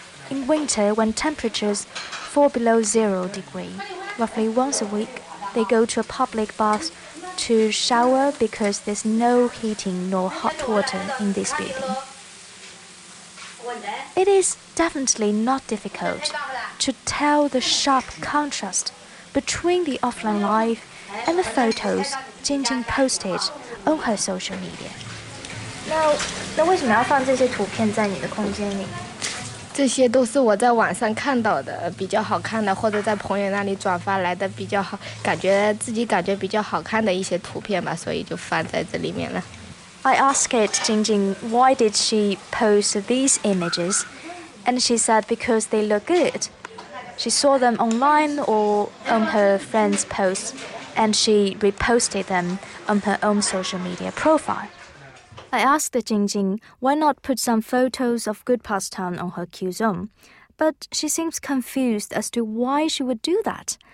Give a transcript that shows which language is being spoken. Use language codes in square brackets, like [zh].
[en] In winter, when temperatures fall below 0 degrees,Roughly once a week, they go to a public bath to shower because there's no heating nor hot water in this building. It is definitely not difficult to tell the sharp contrast between the offline life and the photos Jing Jing posted on her social media. Now, [zh] 为什么要放这些图片在你的空间里？这些都是我在网上看到的比较好看的或者在朋友那里转发来的比较好感觉自己感觉比较好看的一些图片吧所以就放在这里面了 [en] I asked it Jing Jing why did she post these images and she said because they look good she saw them online or on her friend's post and she reposted them on her own social media profileI asked Jing Jing why not put some photos of good past time on her QZone, but she seems confused as to why she would do that.